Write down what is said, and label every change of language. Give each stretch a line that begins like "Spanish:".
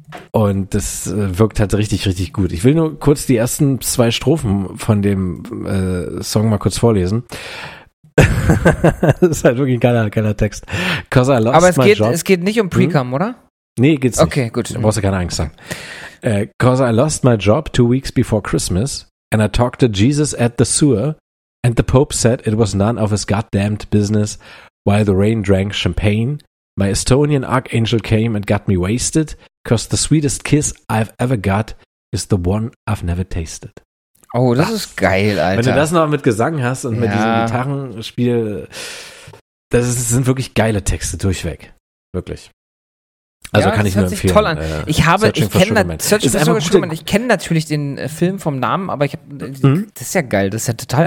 German: Und das wirkt halt richtig, richtig gut. Ich will nur kurz die ersten zwei Strophen von dem Song mal kurz vorlesen. Das ist halt wirklich ein geiler Text.
English: Cause I lost my job.
German: Aber es geht nicht um Precum, oder? Nee, geht's nicht. Okay, gut. Du brauchst ja keine Angst haben.
English: Cause I lost my job 2 weeks before Christmas and I talked to Jesus at the sewer and the Pope said it was none of his goddamned business. While the rain drank champagne, my Estonian archangel came and got me wasted, cause the sweetest kiss I've ever got is the one I've never tasted.
German: Oh, das ist geil, Alter. Wenn du das noch mit Gesang hast und mit diesem Gitarrenspiel, das sind wirklich geile Texte durchweg. Wirklich. Also ja, kann ich nur empfehlen. Toll an. Ich habe, ich kenne natürlich den Film vom Namen, aber ich habe, das ist ja geil, das ist ja total